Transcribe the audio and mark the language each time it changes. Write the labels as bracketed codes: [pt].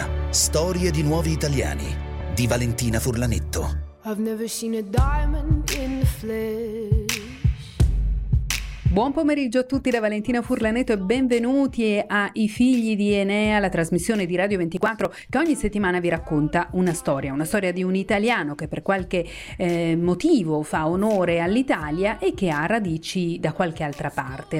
[it] Storie di nuovi italiani di Valentina Furlanetto. [en] I've never seen a diamond in the flesh. [it] Buon pomeriggio a tutti da Valentina Furlanetto e benvenuti a I figli di Enea, la trasmissione di Radio 24 che ogni settimana vi racconta una storia di un italiano che per qualche motivo fa onore all'Italia e che ha radici da qualche altra parte.